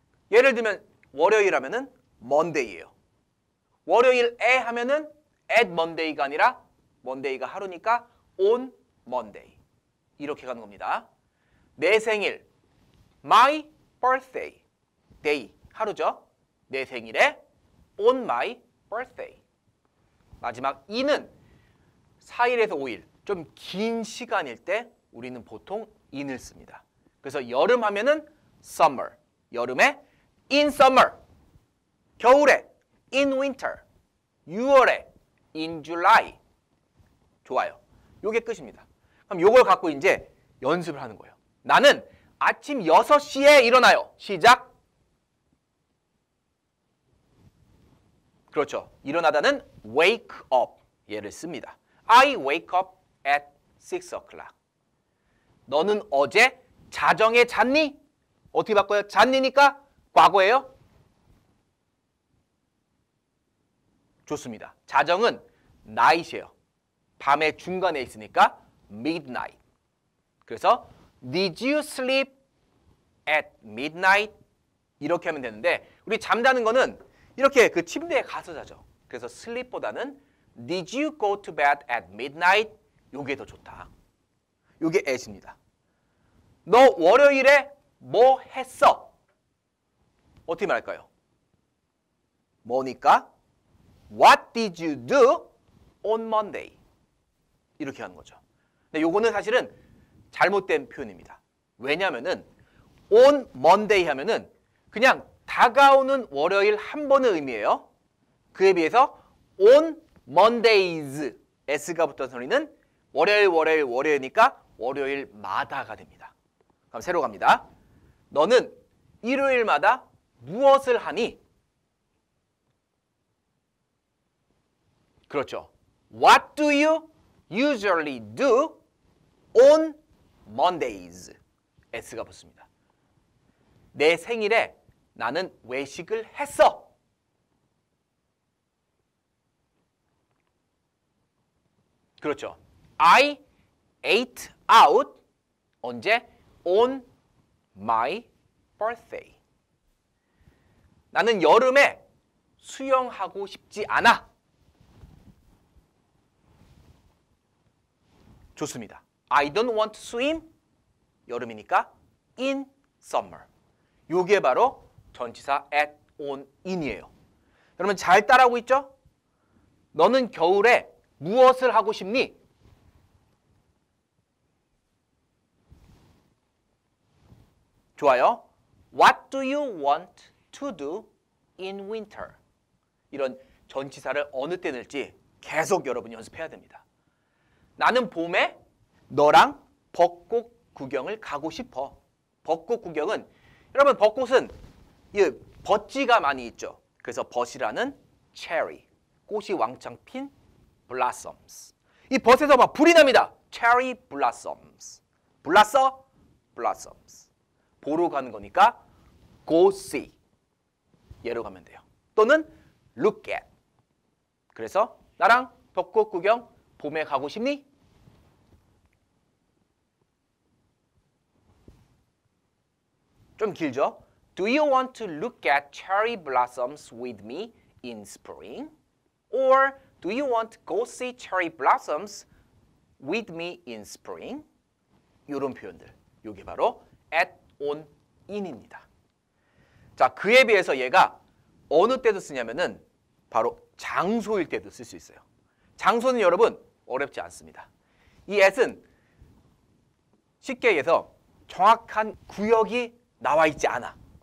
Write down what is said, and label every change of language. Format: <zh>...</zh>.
<ko>예를 들면 월요일 하면은 Monday예요. 월요일에 하면은</ko> <en>at Monday</en> <ko>가 아니라 Monday가 하루니까</ko> <en>on Monday.</en> <ko>이렇게 가는 겁니다. 내 생일,</ko> <en>my birthday,</en> <ko>day, 하루죠.</ko> <en>내 생일에 on my birthday.</en> <ko>마지막 in은 4일에서 5일, 좀 긴 시간일 때 우리는 보통 in을 씁니다. 그래서 여름 하면은 summer, 여름에</ko> <en>in summer,</en> <ko>겨울에</ko> <en>in winter,</en> <ko>6월에</ko> <en>in July.</en> <ko>좋아요. 요게 끝입니다. 그럼 요걸 갖고 이제 연습을 하는 거예요. 나는 아침 6시에 일어나요. 시작. 그렇죠. 일어나다는 wake up 예를 씁니다.</ko> <en>I wake up at 6 o'clock.</en> <ko>너는 어제 자정에 잤니? 어떻게 바꿔요? 잤니니까 과거예요. 좋습니다. 자정은 night이에요. 밤의 중간에 있으니까 midnight.</ko> <en>그래서 Did you sleep at midnight?</en> <ko>이렇게 하면 되는데 우리 잠자는 거는 이렇게 그 침대에 가서 자죠.</ko> <en>그래서 sleep보다는 Did you go to bed at midnight?</en> <ko>이게 더 좋다. 이게 at입니다. 너 월요일에 뭐 했어? 어떻게 말할까요? 뭐니까?</ko> <en>What did you do on Monday?</en> <ko>이렇게 하는 거죠. 근데 요거는 사실은 잘못된 표현입니다. 왜냐면은</ko> <en>on Monday</en> <ko>하면은 그냥 다가오는 월요일 한 번의 의미예요. 그에 비해서</ko> <en>on Mondays,</en> <ko>S가 붙은 소리는 월요일, 월요일, 월요일이니까 월요일마다가 됩니다. 그럼 새로 갑니다. 너는 일요일마다 무엇을 하니? 그렇죠.</ko> <en>What do you usually do on Mondays?</en> <ko>S가 붙습니다. 내 생일에 나는 외식을 했어.</ko> <en>그렇죠. I ate out 언제? On my birthday.</en> <ko>나는 여름에 수영하고 싶지 않아.</ko> <en>좋습니다. I don't want to swim.</en> <ko>여름이니까</ko> <en>in summer.</en> <ko>요게 바로 전치사 at, on, in이에요. 여러분 잘 따라하고 있죠? 너는 겨울에 무엇을 하고 싶니? 좋아요.</ko> <en>What do you want to do in winter?</en> <ko>이런 전치사를 어느 때 넣을지 계속 여러분 연습해야 됩니다. 나는 봄에 너랑 벚꽃 구경을 가고 싶어. 벚꽃 구경은 여러분 벚꽃은 이 벚지가 많이 있죠. 그래서 벚이라는 cherry, 꽃이 왕창 핀 blossoms. 이 벚에서 막 불이 납니다.</ko> <en>cherry blossoms. 불났어? blossoms.</en> <ko>보러 가는 거니까</ko> <en>go see.</en> <ko>예로 가면 돼요. 또는</ko> <en>look at.</en> <ko>그래서 나랑 벚꽃 구경 봄에 가고 싶니? 좀 길죠?</ko> <en>Do you want to look at cherry blossoms with me in spring? Or do you want to go see cherry blossoms with me in spring?</en> <ko>이런 표현들. 이게 바로 at, on, in입니다. 자, 그에 비해서 얘가 어느 때도 쓰냐면은 바로 장소일 때도 쓸 수 있어요. 장소는 여러분 어렵지 않습니다. 이 at은 쉽게 얘기해서 정확한 구역이 나와 있지 않아.</ko>